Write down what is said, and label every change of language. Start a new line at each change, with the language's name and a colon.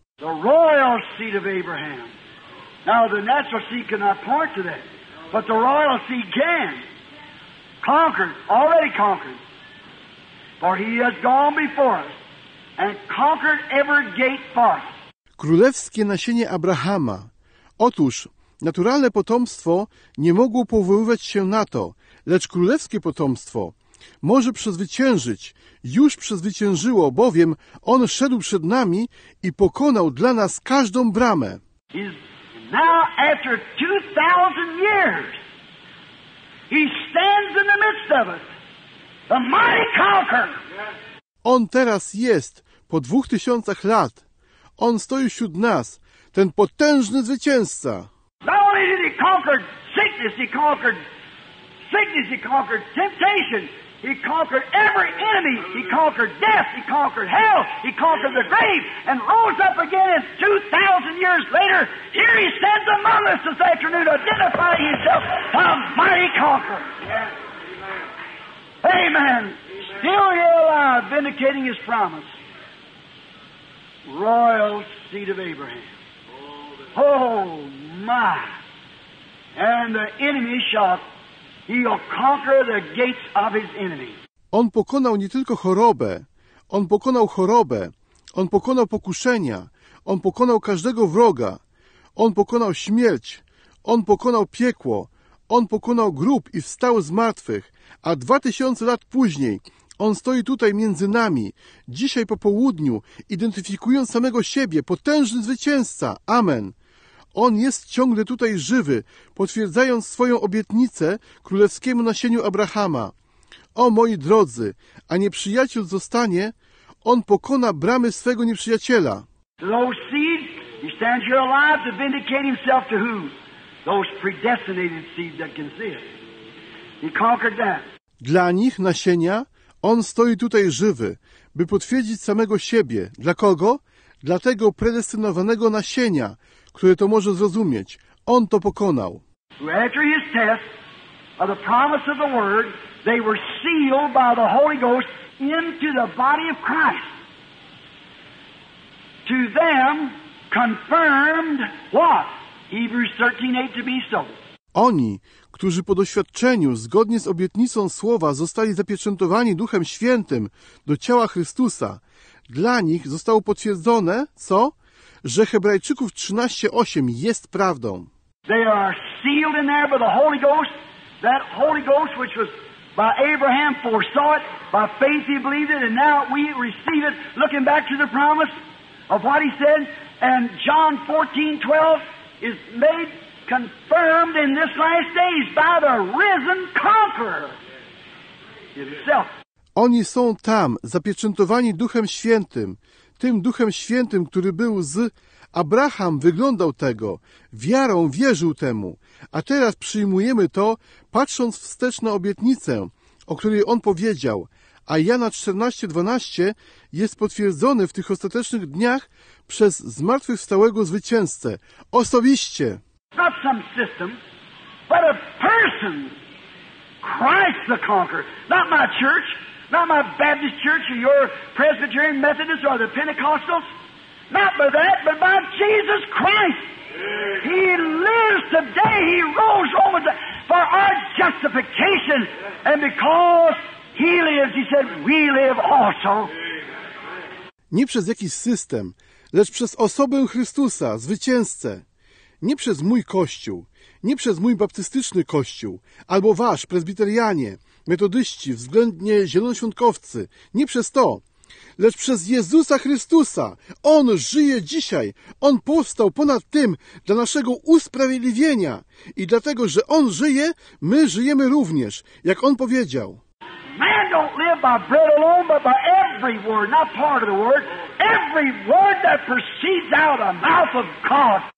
English: The royal seat of Abraham. Now the natural seat cannot point to that. But the royal seat can. Conquered, already conquered. For he has gone before us and conquered every gate for us.
Polish: Królewskie nasienie Abrahama. Otóż, naturalne potomstwo nie mogło powoływać się na to, lecz królewskie potomstwo może przezwyciężyć, już przezwyciężyło, bowiem on szedł przed nami i pokonał dla nas każdą bramę.
English: He's now after 2,000 years, he stands in the midst of us, the mighty conqueror.
Polish: On teraz jest, po 2,000 lat, on stoi wśród nas, ten potężny zwycięzca.
English: Not only did he conquer sickness, he conquered sickness, he conquered temptation, he conquered every enemy, he conquered death, he conquered hell, he conquered the grave, and rose up again, and 2,000 years later, here he stands among us this afternoon, identifying himself a mighty conqueror. Amen. Amen. Still here alive, vindicating his promise. Royal seat of Abraham. Oh, my. And the enemy shall, he'll conquer the gates of his enemy.
Polish: On pokonał nie tylko chorobę. On pokonał chorobę. On pokonał pokuszenia. On pokonał każdego wroga. On pokonał śmierć. On pokonał piekło. On pokonał grób i wstał z martwych. A 2,000 lat później on stoi tutaj między nami, dzisiaj po południu, identyfikując samego siebie, potężny zwycięzca. Amen. On jest ciągle tutaj żywy, potwierdzając swoją obietnicę królewskiemu nasieniu Abrahama. O moi drodzy, a nieprzyjaciel zostanie, on pokona bramy swego nieprzyjaciela.
English: Those seeds, he stands here alive to vindicate himself to whom? Those predestinated seeds that can see it. He conquered that.
Polish: Dla nich nasienia. On stoi tutaj żywy, by potwierdzić samego siebie. Dla kogo? Dla tego predestynowanego nasienia, które to może zrozumieć. On to pokonał.
English: After his test of the promise of the word, they were sealed by the Holy Ghost into the body of Christ. To them confirmed what? Hebrews 13:8 to be so.
Polish: Oni, którzy po doświadczeniu, zgodnie z obietnicą słowa, zostali zapieczętowani Duchem Świętym do ciała Chrystusa, dla nich zostało potwierdzone, co? Że Hebrajczyków 13:8 jest prawdą.
English: They are sealed in there by the Holy Ghost, that Holy Ghost which was by Abraham foresaw it, by faith he believed it, and now we receive it, looking back to the promise of what he said, and John 14:12 is made confirmed in this last days by the risen conqueror himself.
Polish: Oni są tam, zapieczętowani Duchem Świętym, tym Duchem Świętym, który był z Abraham, wyglądał tego, wiarą wierzył temu, a teraz przyjmujemy to, patrząc wstecz na obietnicę, o której on powiedział, a Jana 14:12 jest potwierdzony w tych ostatecznych dniach przez zmartwychwstałego zwycięzcę osobiście.
English: Not some system, but a person, Christ the conqueror, not my church, not my Baptist church or your Presbyterian Methodist or the Pentecostals, not by that, but by Jesus Christ. He lives today. He rose over the, for our justification. And because He lives, He said, we live also.
Polish: Nie przez jakiś system, lecz przez osobę Chrystusa, zwycięzcę. Nie przez mój kościół, nie przez mój baptystyczny kościół, albo wasz, prezbiterianie, metodyści, względnie zielonoświątkowcy. Nie przez to, lecz przez Jezusa Chrystusa. On żyje dzisiaj. On powstał ponad tym dla naszego usprawiedliwienia. I dlatego, że On żyje, my żyjemy również, jak On powiedział.
English: Man don't live by bread alone, but by every word, not part of the word, every word that proceeds out of the mouth of God.